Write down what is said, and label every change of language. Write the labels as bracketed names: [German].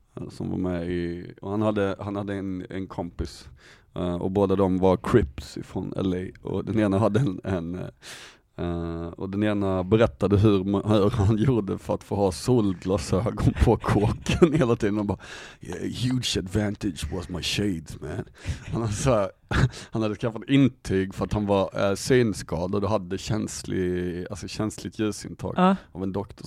[Swedish] som var med i, och han hade en kompis och båda de var crips från LA, och den ena hade en och den ena berättade hur han gjorde för att få ha solglasögon på kåken hela tiden. Han bara, [English] yeah, huge advantage was my shades, man. [Swedish] Han hade skaffat intyg för att han var synskadad och hade känsligt ljusintag av en doktor.